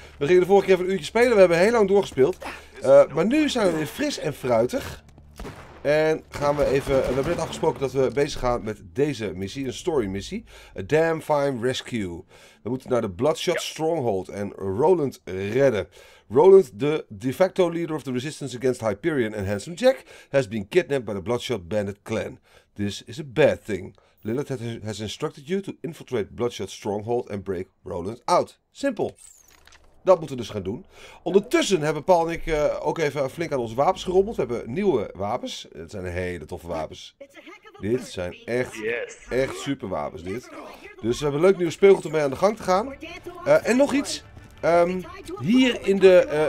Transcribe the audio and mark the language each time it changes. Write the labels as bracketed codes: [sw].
[nl] We gingen de vorige keer even een uurtje spelen. We hebben heel lang doorgespeeld. Maar nu zijn we weer fris en fruitig. En gaan we even. We hebben net afgesproken dat we bezig gaan met deze missie, een story missie. A Damn Fine Rescue. We moeten naar de Bloodshot Stronghold en Roland redden. [en] Roland, de de facto leader of the resistance against Hyperion en Handsome Jack, has been kidnapped by the Bloodshot Bandit Clan. This is a bad thing. Lilith has instructed you to infiltrate Bloodshot Stronghold and break Roland out. [nl] Simpel. Dat moeten we dus gaan doen. Ondertussen hebben Paul en ik ook even flink aan onze wapens gerommeld. We hebben nieuwe wapens. Het zijn hele toffe wapens. Dit zijn echt super wapens, dit. Dus we hebben een leuk nieuw speelgoed om mee aan de gang te gaan. En nog iets. Hier in de.